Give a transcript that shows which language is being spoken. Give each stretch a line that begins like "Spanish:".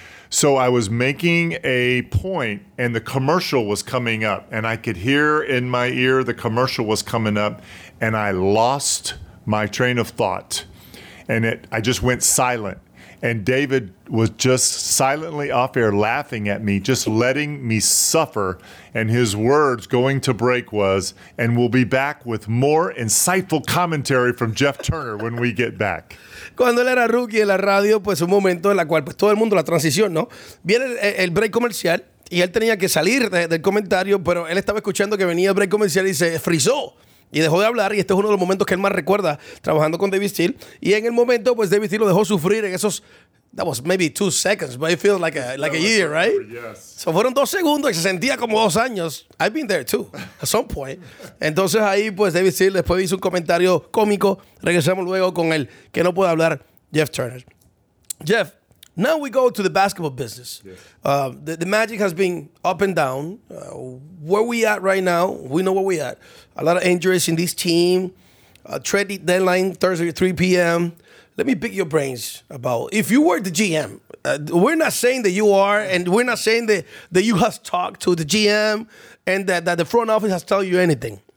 English: So I was making a point and the commercial was coming up and I could hear in my ear the commercial was coming up and I lost my train of thought and I just went silent. And David was just silently off air laughing at me, just letting me suffer. And his words going to break was, and we'll be back with more insightful commentary from Jeff Turner when we get back.
Spanish: Cuando él era rookie en la radio, pues un momento en la cual pues todo el mundo la transición, ¿no? Viene el break comercial y él tenía que salir del comentario, pero él estaba escuchando que venía el break comercial y se frizó. Y dejó de hablar, y este es uno de los momentos que él más recuerda trabajando con David Steele. Y en el momento, pues David Steele lo dejó sufrir en esos.
English: That was maybe 2 seconds, but it feels like a year, over, right? Yes.
Spanish: So fueron 2 segundos y se sentía como 2 años.
English: I've been there too, at some point.
Spanish: Entonces ahí, pues David Steele después hizo un comentario cómico. Regresamos luego con el que no puede hablar, Jeff Turner.
English: Jeff, now we go to the basketball business. Yes. The Magic has been up and down. Where we at right now, we know where we at. A lot of injuries in this team. Trade deadline, Thursday at 3 p.m. Let me pick your brains about, if you were the GM, we're not saying that you are, and we're not saying that you have talked to the GM and that the front office has told you anything.